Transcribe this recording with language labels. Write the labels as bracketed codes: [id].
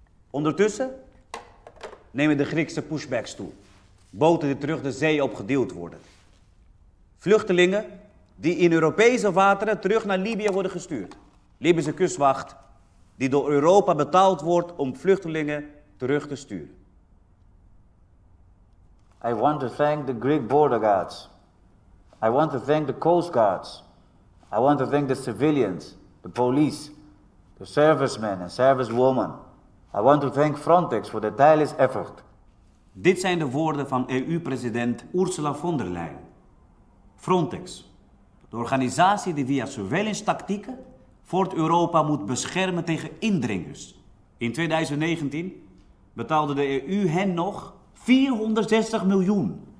[nl] Ondertussen nemen de Griekse pushbacks toe. Boten die terug de zee op geduwd worden. Vluchtelingen die in Europese wateren terug naar Libië worden gestuurd. Libische kustwacht die door Europa betaald wordt om vluchtelingen terug te sturen. [en] I want to thank the Greek border guards. I want to thank the coast guards. I want to thank the civilians, the police, the servicemen and servicewomen. I want to thank Frontex for their tireless effort. [nl] Dit zijn de woorden van EU-president Ursula von der Leyen. Frontex, de organisatie die via surveillance-tactieken Fort Europa moet beschermen tegen indringers. In 2019 betaalde de EU hen nog 460 miljoen.